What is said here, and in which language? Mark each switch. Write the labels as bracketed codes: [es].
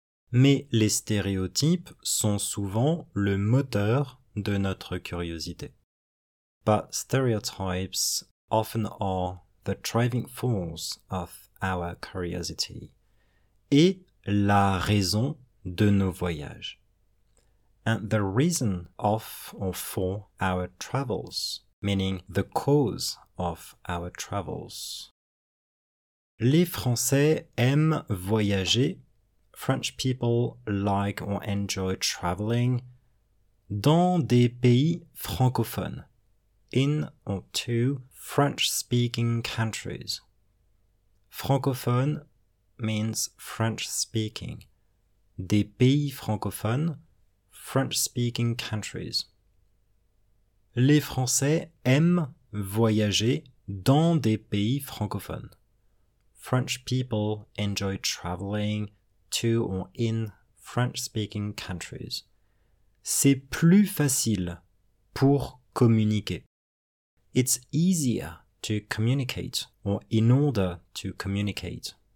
[fr] Mais les stéréotypes sont souvent le moteur de notre curiosité. [en] But stereotypes often are the driving force of our curiosity. [fr] Et la raison de nos voyages. [en] And the reason of or for our travels, meaning the cause of our travels. [fr] Les Français aiment voyager. [en] French people like or enjoy traveling [fr] dans des pays francophones, [en] in or to French-speaking countries. Francophone means French-speaking. [fr] Des pays francophones, [en] French-speaking countries. [fr] Les Français aiment voyager dans des pays francophones. [en] French people enjoy traveling to or in French-speaking countries. [fr] C'est plus facile pour communiquer. [en] It's easier to communicate or in order to communicate.